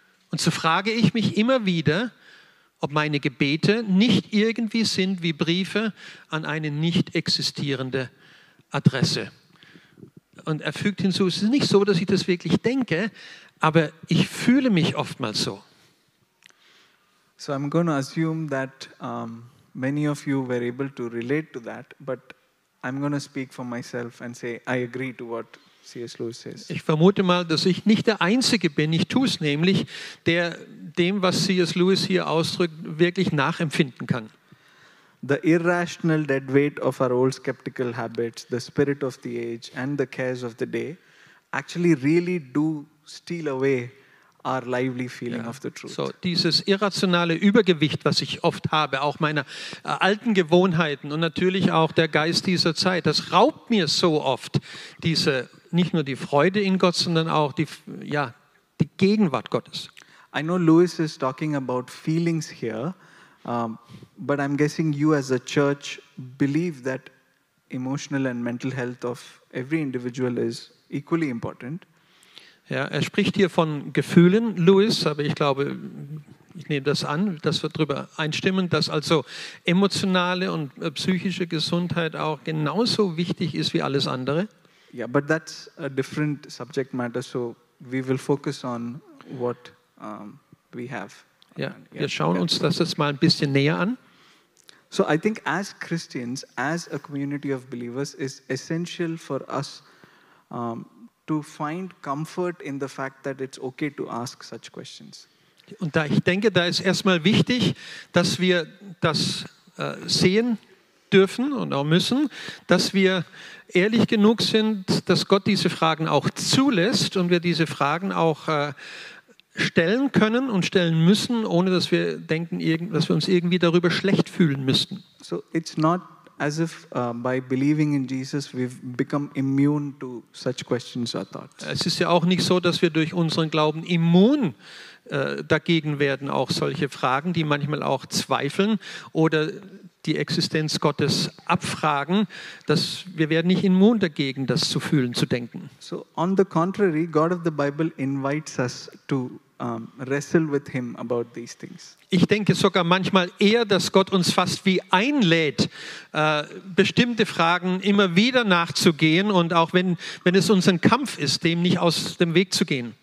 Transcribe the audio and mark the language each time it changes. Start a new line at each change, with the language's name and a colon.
German: Und so frage ich mich immer wieder, ob meine Gebete nicht irgendwie sind wie Briefe an eine nicht existierende Adresse. Und er fügt hinzu, es ist nicht so, dass ich das wirklich denke, aber ich fühle mich oftmals so.
English: So I'm going to assume that many of you were able to relate to that, but I'm going to speak for myself and say I agree to what C.S. Lewis says.
German: Ich vermute mal, dass ich nicht der Einzige bin, ich tue es nämlich, der dem, was C.S. Lewis hier ausdrückt, wirklich nachempfinden kann.
English: The irrational dead weight of our old skeptical habits, the spirit of the age and the cares of the day actually really do steal away our lively feeling of the truth.
German: So dieses irrationale Übergewicht, was ich oft habe, auch meiner alten Gewohnheiten und natürlich auch der Geist dieser Zeit, das raubt mir so oft diese, nicht nur die Freude in Gott, sondern auch die Gegenwart Gottes.
English: I know Lewis is talking about feelings here, but I'm guessing you as a church believe that emotional and mental health of every individual is equally important.
German: Ja, er spricht hier von Gefühlen, Lewis, aber ich glaube, ich nehme das an, dass wir darüber einstimmen, dass also emotionale und psychische Gesundheit auch genauso wichtig ist wie alles andere.
English: Ja, yeah, but that's a different subject matter, so we will focus on what we have.
German: Ja, wir schauen uns das jetzt mal ein bisschen näher an.
English: So I think as Christians, as a community of believers, it's essential for us to find comfort in the fact that it's okay to ask such questions.
German: Und da ich denke, da ist erstmal wichtig, dass wir das sehen dürfen und auch müssen, dass wir ehrlich genug sind, dass Gott diese Fragen auch zulässt und wir diese Fragen auch stellen können und stellen müssen, ohne dass wir denken, dass wir uns irgendwie darüber schlecht fühlen müssten.
English: So it's not as if by believing in Jesus we've become immune to such questions or thoughts.
German: Es ist ja auch nicht so, dass wir durch unseren Glauben immun dagegen werden, auch solche Fragen, die manchmal auch zweifeln oder die Existenz Gottes abfragen, dass wir werden nicht immun dagegen, das zu fühlen, zu denken.
English: So on the contrary, God of the Bible invites us to wrestle with him about these things.
German: Ich denke sogar manchmal eher, dass Gott uns fast wie einlädt, bestimmte Fragen immer wieder nachzugehen und auch wenn es uns ein Kampf ist, dem nicht aus dem Weg zu gehen.